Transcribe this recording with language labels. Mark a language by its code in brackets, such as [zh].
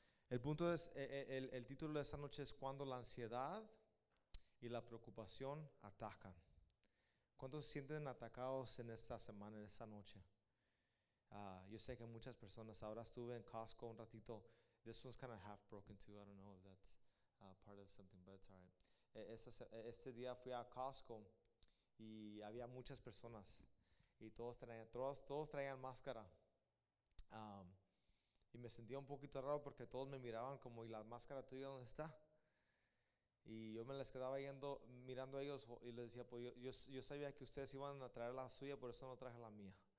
[es] El punto es, el título de esta noche es cuando la ansiedad y la preocupación atacan. ¿Cuántos se sienten atacados en esta semana, en esta noche? Yo sé que muchas personas, ahora estuve en Costco un ratito. [en] This one's kind of half broken too. I don't know if that's part of something, but it's all right. [es] Este día fui a Costco y había muchas personas y todos traían máscara. Y me sentía un poquito raro porque todos me miraban como, ¿y la máscara tuya dónde está? Y yo me les quedaba mirando a ellos y les decía, pues yo sabía que ustedes iban a traer la suya, por eso no traje la mía.